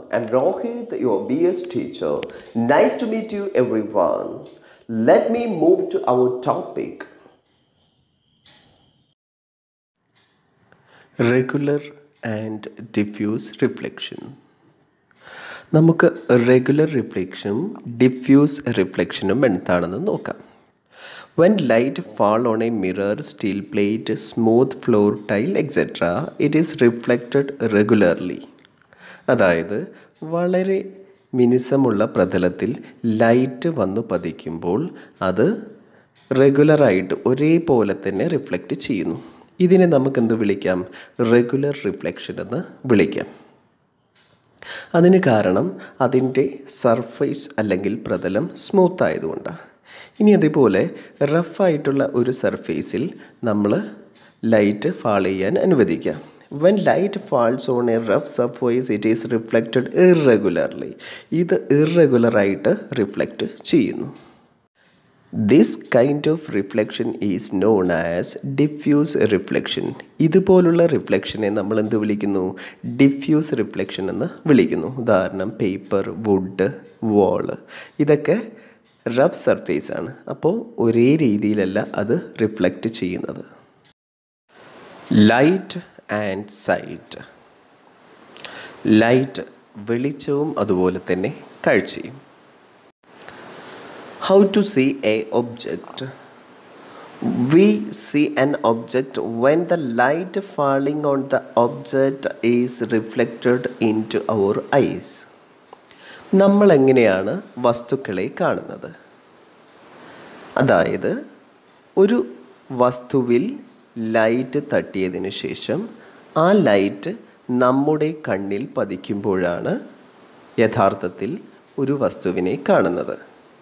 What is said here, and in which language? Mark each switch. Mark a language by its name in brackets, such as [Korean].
[English] I'm Rohit, your BS teacher. Nice to meet you, everyone. Let me move to our topic. Regular and diffuse reflection. [Malayalam] നമുക്ക് regular റിഫ്ലക്ഷനും diffuse റിഫ്ലക്ഷനും എന്താണെന്ന് നോക്കാം. [English] When light fall on a mirror, steel plate, smooth floor tile et cetera, it is reflected regularly. [Malayalam] അതായത് വളരെ മിനുസമുള്ള പ്രതലത്തിൽ light വന്നു പതിക്കുമ്പോൾ അത് റെഗുലറായിട്ട് ഒരേപോലെ തന്നെ റിഫ്ലക്റ്റ് ചെയ്യുന്നു. ഇതിനെ നമുക്കെന്ത് വിളിക്കാം? റെഗുലർ റിഫ്ലക്ഷൻ എന്ന് വിളിക്കാം. അതിന് കാരണം അതിൻ്റെ സർഫേസ് അല്ലെങ്കിൽ പ്രതലം സ്മൂത്ത് ആയതുകൊണ്ടാണ്. ഇനി അതേപോലെ റഫായിട്ടുള്ള ഒരു സർഫേസിൽ നമ്മൾ ലൈറ്റ് ഫാൾ ചെയ്യാൻ അനുവദിക്കാം. [English] When light falls on a rough surface it is reflected irregularly. [Malayalam] ഇത് ഇറെഗുലറായിട്ട് റിഫ്ലക്റ്റ് ചെയ്യുന്നു. [English] This kind of reflection is known as diffuse reflection. [Malayalam] ഇതുപോലുള്ള റിഫ്ലക്ഷനെ നമ്മൾ എന്ത് വിളിക്കുന്നു? ഡിഫ്യൂസ് റിഫ്ലക്ഷൻ എന്ന് വിളിക്കുന്നു. ഉദാഹരണം പേപ്പർ, വുഡ്, വാള്, ഇതൊക്കെ റഫ് സർഫേസ് ആണ്. അപ്പോൾ ഒരേ രീതിയിലല്ല അത് റിഫ്ലക്റ്റ് ചെയ്യുന്നത്. Light and site. ലൈറ്റ് വെളിച്ചവും അതുപോലെ തന്നെ കാഴ്ചയും. [English] How to see a object? We see an object when the light falling on the object is reflected into our eyes. [Malayalam] നമ്മൾ എങ്ങനെയാണ് വസ്തുക്കളെ കാണുന്നത്? അതായത് ഒരു വസ്തുവിൽ ലൈറ്റ് തട്ടിയതിന് ശേഷം ആ ലൈറ്റ് നമ്മുടെ കണ്ണിൽ പതിക്കുമ്പോഴാണ് യഥാർത്ഥത്തിൽ ഒരു വസ്തുവിനെ കാണുന്നത്.